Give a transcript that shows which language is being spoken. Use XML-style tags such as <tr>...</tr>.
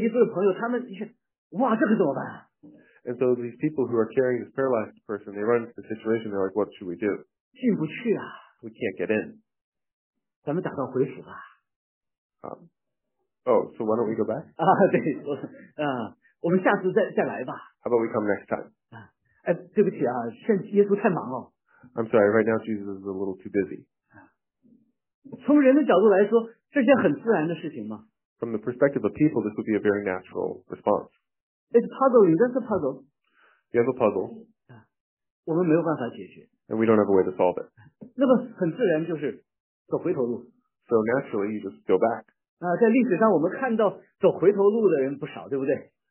<zh>啊，那么这个带着摊子来见耶稣的朋友，他们一看，哇，这可怎么办？</zh> <en>And so these people who are carrying this paralyzed person, they run into the situation. They're like, "What should we do?"</en> <zh>进不去啊。</zh> <en>We can't get in.</en> <zh>咱们打道回府吧。</zh> <en>So why don't we go back?</en> <zh>啊，对，我们下次再来吧。</zh> <en>How about we come next time?</en> <zh>哎，对不起啊，现耶稣太忙了。</zh> <en>I'm sorry, right now Jesus is a little too busy.</en> <zh>从人的角度来说，这是件很自然的事情吗？</zh> <en>From the perspective of people, this would be a very natural response. It's a puzzle, you have a puzzle. You have a puzzle.</en> <zh>我们没有办法解决。</zh> <en>And we don't have a way to solve it.</en> <zh>那么很自然就是走回头路。</zh> <en>So naturally, you just go back.</en> <zh>在历史上我们看到走回头路的人不少，对不对？</zh>